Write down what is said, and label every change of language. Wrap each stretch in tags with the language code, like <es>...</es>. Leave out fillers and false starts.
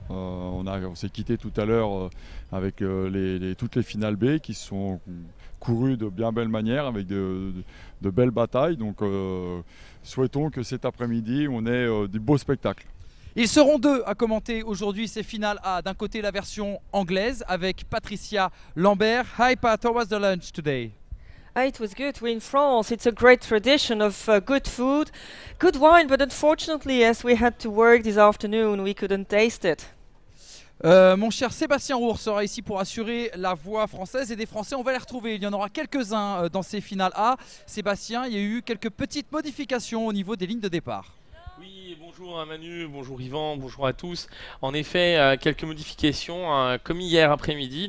<fr>On s'est quitté tout à l'heure avec toutes les finales B qui sont couru de bien belle manière avec de belles batailles. Donc souhaitons que cet après-midi on ait des beaux spectacles. Ils seront deux à commenter aujourd'hui ces finales A. D'un côté la version anglaise avec Patricia Lambert.</fr> <en>Hi Pat, how was the lunch today? It was good. We in France, it's a great tradition of good food, good wine, but unfortunately as we had to work this afternoon we couldn't taste it.</en> <fr>Mon cher Sébastien Roux sera ici pour assurer la voix française et des Français, on va les retrouver. Il y en aura quelques-uns dans ces finales A. Sébastien, il y a eu quelques petites modifications au niveau des lignes de départ. Oui, bonjour Manu, bonjour Yvan, bonjour à tous. En effet, quelques modifications, comme hier après-midi.</fr>